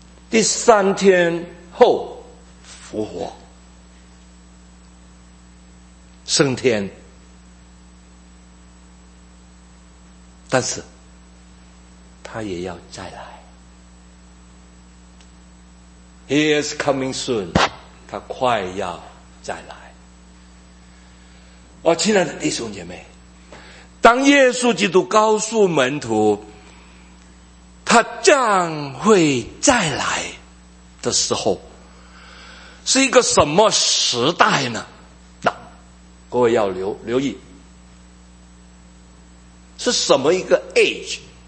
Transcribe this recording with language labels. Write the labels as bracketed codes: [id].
[zh] 第三天后复活升天，但是他也要再来。 [en] He is coming soon， [zh] 他快要再来。哦，亲爱的弟兄姐妹，当耶稣基督告诉门徒他将会再来的时候，是一个什么时代呢？那各位要留意是什么一个 age。